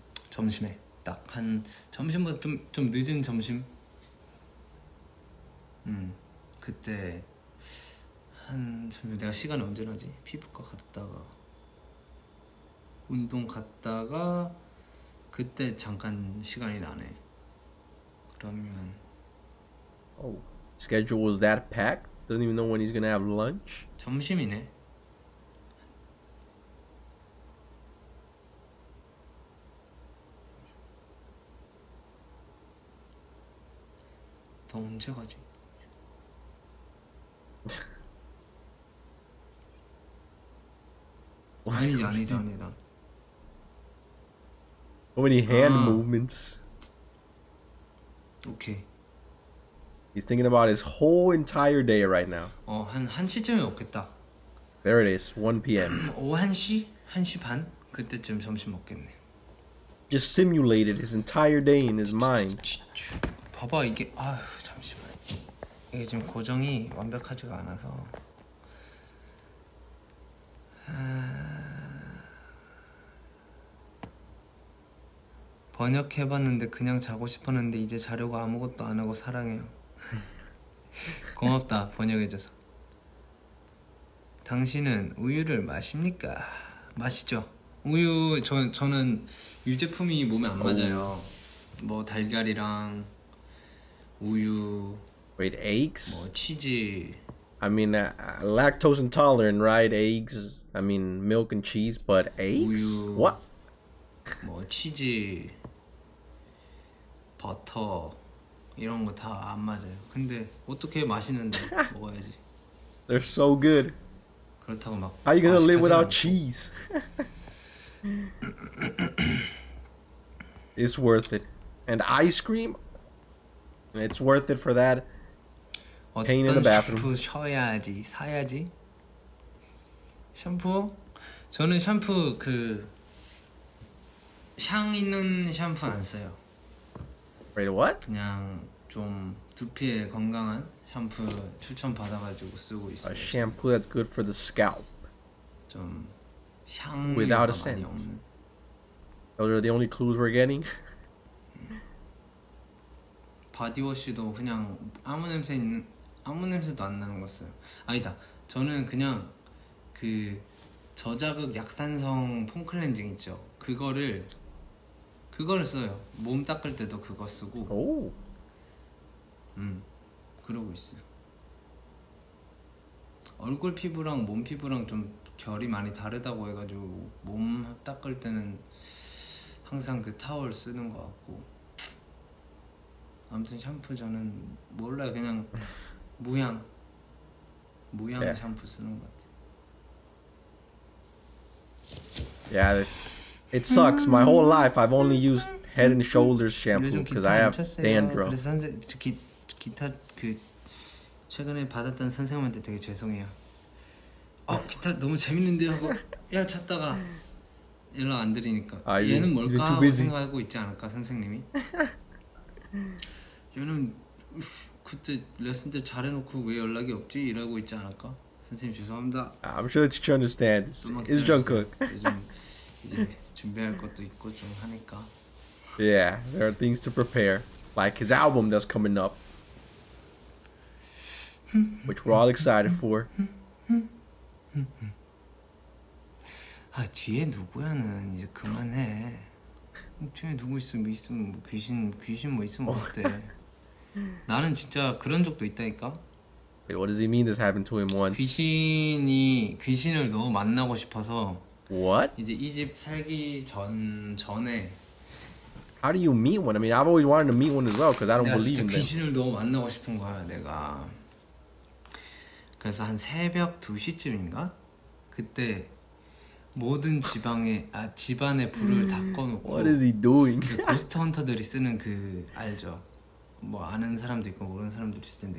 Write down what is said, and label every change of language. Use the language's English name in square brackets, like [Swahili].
[Korean] 점심에 딱 한 점심보다 좀 좀 늦은 점심. 그때 한 점심 내가 시간이 언제 나지? 피부과 갔다가 운동 갔다가 그때 잠깐 시간이 나네. 그러면 [English] oh, schedule was that packed? Don't even know when he's gonna have lunch. [Korean] 점심이네. 너 언제 가지? 아니지 아니지 아니다. [English] How many hand movements? Okay. He's thinking about his whole entire day right now. [Korean] 어, 한 1시쯤에 먹겠다. [English] There it is, 1 PM. [Korean] 오후 1시? 1시 반? 그때쯤 점심 먹겠네. [English] Just simulated his entire day in his mind. [Korean] 봐봐, 이게, 아휴, 잠시만. 이게 지금 고정이 완벽하지가 않아서. 번역해봤는데 그냥 자고 싶었는데 이제 자려고 아무것도 안 하고 사랑해요. 고맙다 번역해줘서. 당신은 우유를 마십니까? 마시죠. 우유 저는 유제품이 몸에 안 맞아요. 뭐 달걀이랑 우유. [English] Wait, eggs? [Korean] 뭐 치즈. [English] I mean, lactose intolerant, right? Eggs. I mean, milk and cheese, but eggs? [Korean] 우유. [English] What? [Korean] 뭐 치즈. 버터 이런 거 다 안 맞아요. 근데 어떻게 맛있는데 먹어야지. [English] They're so good. [Korean] 그렇다고 막. [English] How you gonna live without cheese? It's worth it. And ice cream? It's worth it for that. Pain in the bathroom. [Korean] 어떤 샴푸 써야지 사야지? 샴푸? 저는 샴푸 그 향 있는 샴푸 안 써요. [English] Wait, what? [Korean] 그냥 좀 두피에 건강한 샴푸 추천 받아가지고 쓰고 있어요. [English] A shampoo that's good for the scalp. [Korean] 좀 향이 [English] without a scent. [Korean] 없는. [English] Those are the only clues we're getting. [Korean] 바디워시도 그냥 아무 냄새 있는 아무 냄새도 안 나는 거 써요. 아니다. 저는 그냥 그 저자극 약산성 폼 클렌징 있죠. 그거를 써요. 몸 닦을 때도 그거 쓰고. 오. 그러고 있어요. 얼굴 피부랑 몸 피부랑 좀 결이 많이 다르다고 해가지고 몸 닦을 때는 항상 그 타월 쓰는 것 같고. 아무튼 샴푸 저는 몰라요. 그냥 무향 yeah. 샴푸 쓰는 것 같아. [English] Yeah. It sucks. My whole life, I've only used Head and Shoulders shampoo because I have dandruff. [Korean] 그래서 선생 기타 그 최근에 받았던 선생님한테 되게 죄송해요. 아 기타 너무 재밌는데 하고 야 찾다가 연락 안 드리니까 얘는 뭘까 생각하고 있지 않을까 선생님이. 얘는 그때 레슨 때 잘해놓고 왜 연락이 없지 이러고 있지 않을까 선생님 죄송합니다. [English] I'm sure the teacher understands. It's Jungkook. [Korean] 이제 준비할 것도 있고 좀 하니까. [English] Yeah, there are things to prepare. Like his album that's coming up. Which we're all excited for. [Korean] 아, 뒤에 누구야는 이제 그만해. 뒤에 누구 있으면 뭐 귀신 뭐 있으면 어때. 나는 진짜 그런 적도 있다니까. [English] Wait, what does he mean this happened to him once? [Korean] 귀신을 너무 만나고 싶어서 [English] What? [Korean] 이제 이 집 살기 전에 [English] How do you meet one? I mean, I've always wanted to meet one as well, because I don't believe in them. [Korean] 내가 진짜 귀신을 너무 만나고 싶은 거야, 내가. 그래서 한 새벽 2시쯤인가? 그때 모든 지방에, 아, 집안에 불을 다 [English] What [Korean] 꺼놓고, [English] is he doing? [Korean] 그 고스트 헌터들이 쓰는 그, 알죠? 뭐 아는 사람도 있고 모르는 사람도 있을 텐데,